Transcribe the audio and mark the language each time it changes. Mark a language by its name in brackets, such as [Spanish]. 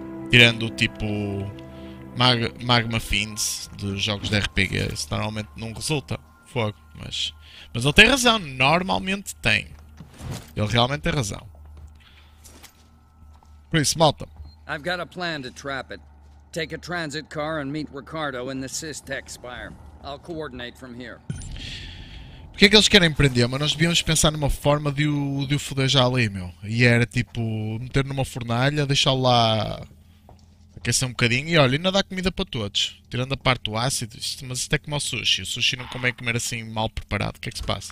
[Portuguese] Tirando tipo Magma Fiends dos jogos de RPG, isso normalmente não resulta. Fogo, mas. Mas ele tem razão, normalmente tem. Ele realmente tem razão. Por isso, malta. [English] I've got a plan to trap it. Take a transit car and meet Ricardo in the Systech Spire. I'll coordinate from here. [Portuguese] Porquê é que eles querem prender? Mas nós devíamos pensar numa forma de o foder já ali, meu. E era tipo meter numa fornalha, deixar lá aquecer um bocadinho e olha, ainda dá comida para todos. Tirando a parte do ácido, isto, mas isto é como o sushi. O sushi não convém comer assim mal preparado. O que é que se passa?